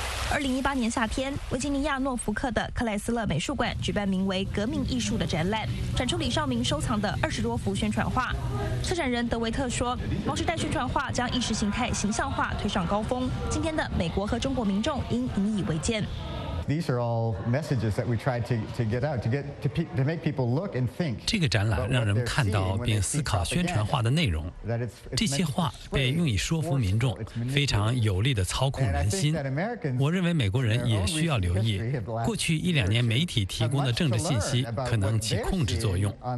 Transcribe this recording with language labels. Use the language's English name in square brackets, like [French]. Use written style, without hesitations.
[Chinese] 2018年夏天，维吉尼亚诺福克的克莱斯勒美术馆举办名为《革命艺术》的展览，展出李少明收藏的20多幅宣传画。策展人德维特说，毛时代宣传画将意识形态形象化推上高峰，今天的美国和中国民众应引以为戒。 [English] These are all messages that we try to get out, to make people look and think. [Chinese] 这个展览让人们看到并思考宣传画的内容。这些画被用以说服民众，非常有力地操控人心。我认为美国人也需要留意，过去一两年媒体提供的政治信息可能起控制作用。